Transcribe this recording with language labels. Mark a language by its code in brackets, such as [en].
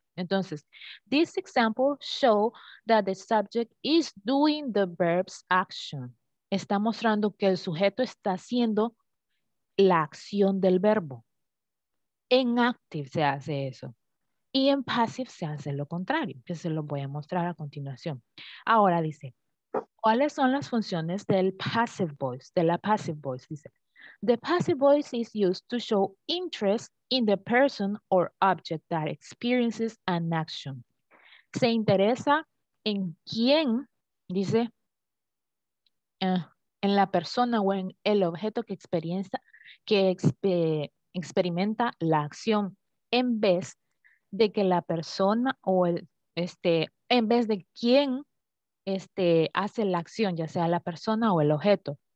[en] Entonces, this example shows that the subject is doing the verb's action. [es] Está mostrando que el sujeto está haciendo la acción del verbo. En active se hace eso. Y en passive se hace lo contrario, que se lo voy a mostrar a continuación. Ahora dice, ¿cuáles son las funciones del passive voice? De la passive voice, dice. [en] The passive voice is used to show interest in the person or object that experiences an action. [es] Se interesa en quién, dice, en la persona o en el objeto que experiencia, que experimenta la acción, en vez de que la persona o el, en vez de quién, hace la acción, ya sea la persona o el objeto.